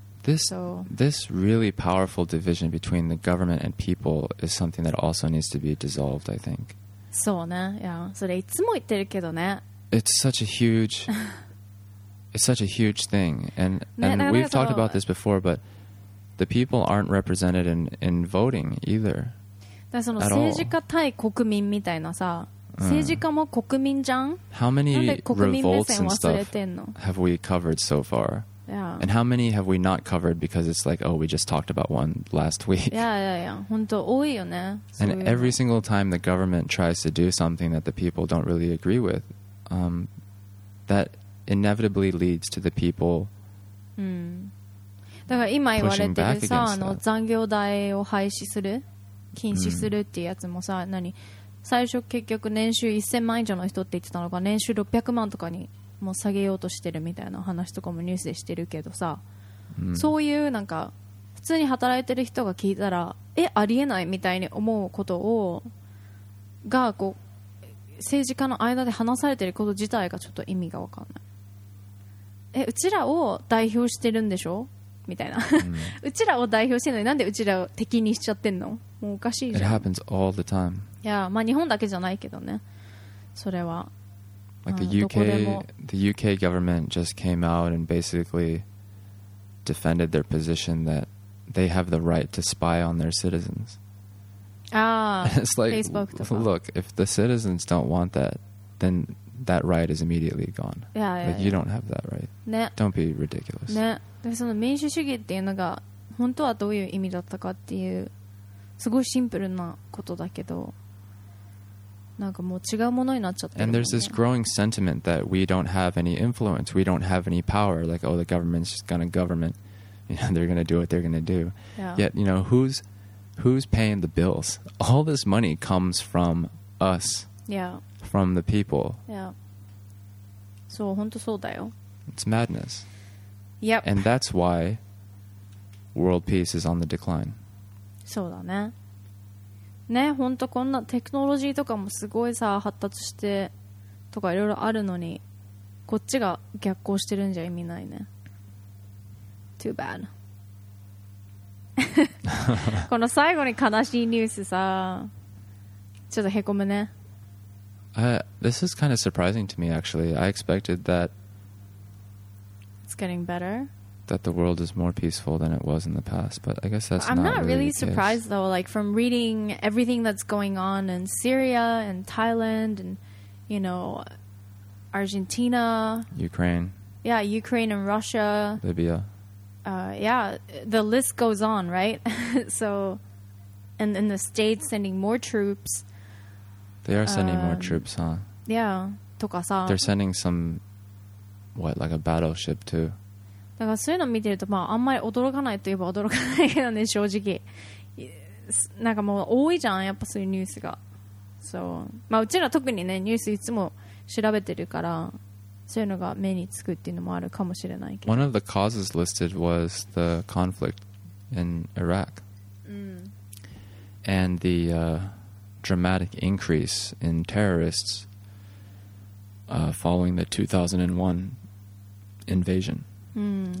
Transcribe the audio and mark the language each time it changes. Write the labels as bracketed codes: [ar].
[en] This really powerful division between the government and people is something that also needs to be dissolved, I think. [ja] そうね。いやそれいつも言ってるけどね、 [en] It's such a huge thing, and we've talked about this before, but the people aren't represented in voting either. [ja] だからその政治家対国民みたいなさ、政治家も国民じゃん。 [en] How many revolts and stuff have we covered so far? Yeah. And how many have we not covered because it's like, oh, we just talked about one last week? Yeah. [ja] 本当多いよね。 [en] And every single time the government tries to do something that the people don't really agree with. That inevitably leads to the people [ja] だから今言われてるさ、あの残業代を廃止する禁止するっていうやつもさ、何最初結局年収1000万以上の人って言ってたのが年収600万とかにもう下げようとしてるみたいな話とかもニュースでしてるけどさ、そういうなんか普通に働いてる人が聞いたらえありえないみたいに思うことをがこう政治家の間で話されてること自体がちょっと意味が分かんない。え、うちらを代表してるんでしょみたいな。うちらを代表してるのになんでうちらを敵にしちゃってんの？もうおかしいじゃん。 [en] It happens all the time. [ja] いや、まあ日本だけじゃないけどね。それは。 [en] Like the UK, the UK government just came out and basically defended their position that they have the right to spy on their citizens. It's like, Facebook [ja] とか。 [en] Look, if the citizens don't want that, then that right is immediately gone. Yeah. Like, you don't have that right. [ja] ね。 [en] Don't be ridiculous. [ja] ね。で、その民主主義っていうのが本当はどういう意味だったかっていうすごいシンプルなことだけど、なんかもう違うものになっちゃってるもんね。 [en] And there's this growing sentiment that we don't have any influence, we don't have any power. Like, oh, the government's just gonna government, you know, they're gonna do what they're gonna do. Yeah. Yet, you know, who's paying the bills? All this money comes from us. Yeah. From the people. Yeah. So, [ja] 本当そうだよ。 [en] It's madness. Yep. And that's why world peace is on the decline. [ja] そうだね。ね、本当こんなテクノロジーとかもすごいさ、発達してとかいろいろあるのに、こっちが逆行してるんじゃ意味ないね。 [en] Too bad. [ja] この最後に悲しいニュースさ、ちょっとへこむね。 [en] This is kind of surprising to me, actually. I expected that it's getting better. That the world is more peaceful than it was in the past. But I guess that's I'm not really surprised, though. Like, from reading everything that's going on in Syria and Thailand and, you know, Argentina. Ukraine. Yeah, Ukraine and Russia. Libya. Yeah, the list goes on, right? So, and in the States sending more troops. They are sending more troops, huh? Yeah. [ja] とかさ. [en] They're sending some, what, like a battleship, too. [ja] だからそういうのを見てると、まあ、あんまり驚かないといえば驚かないけどね、正直。なんかもう多いじゃん、やっぱそういうニュースが。そう。まあ、うちら特にね、ニュースいつも調べてるから、そういうのが目につくっていうのもあるかもしれないけど。 [en] One of the causes listed was the conflict in Iraq. [ja] うん。 [en] And the, dramatic increase in terrorists, following the 2001 invasion. Mm.